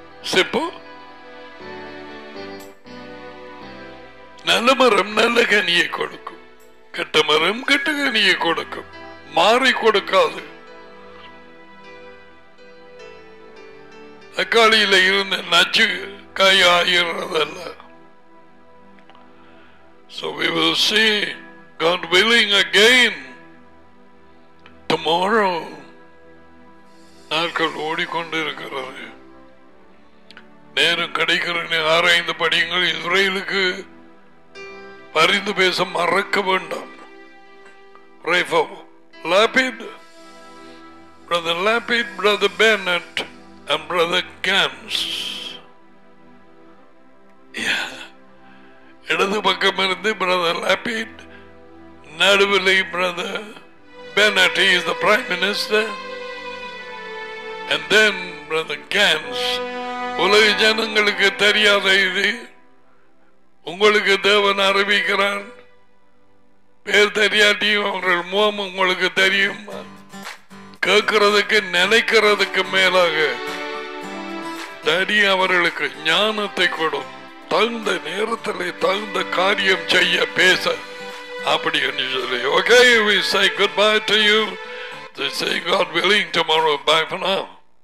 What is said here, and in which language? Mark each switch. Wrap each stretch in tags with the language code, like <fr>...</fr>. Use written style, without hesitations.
<ta>சிப்போ நல்ல மரம் நல்ல கனியை கொடுக்கும், கெட்ட மரம் கெட்ட கனியை கொடுக்கும், மாறி கொடுக்காது. தக்காளியில இருந்து நச்சு காய் ஆகிறதல்ல.</ta> <en>So we will see, God willing, again tomorrow.</en> <ta>நாட்கள் ஓடிக்கொண்டிருக்கிறது, நேரம் கிடைக்கிறேன். ஆராய்ந்து படியுங்கள். இஸ்ரேலுக்கு பரிந்து பேச மறக்க வேண்டாம்.</ta> <en>Pray for Lapid, Brother Lapid, Brother Bennett and Brother Gans.</en> <ta>இடது பக்கம் இருந்து பிரதர் லாபிட், நடுவில் brother Bennett,</ta> <en>he is the prime minister, and then Brother Gans.</en> <ta>உலக ஜனங்களுக்கு தெரியாத இது உங்களுக்கு தேவன் அறிவிக்கிறான். பேர் தெரியாட்டியும் அவர்கள் முகம் உங்களுக்கு தெரியும். கேட்கறதுக்கு நினைக்கிறதுக்கு மேலாக தடி அவர்களுக்கு ஞானத்தை கொடுக்கும். தகுந்த நேரத்தில் தகுந்த காரியம் செய்ய பேச அப்படி என்று சொல்லி.</ta> <en>Okay, we say goodbye to you. They say God willing tomorrow. Bye for now.</en>